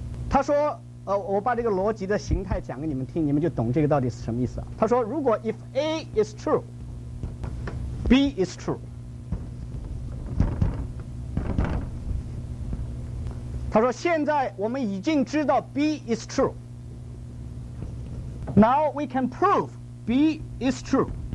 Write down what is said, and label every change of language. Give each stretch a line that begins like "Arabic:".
Chinese: 他说，我把这个逻辑的形态讲给你们听，你们就懂这个到底是什么意思。他说，如果
English: if A is true, B is true。
Chinese: 他说，现在我们已经知道
English: B is true。 Now we can prove B is true.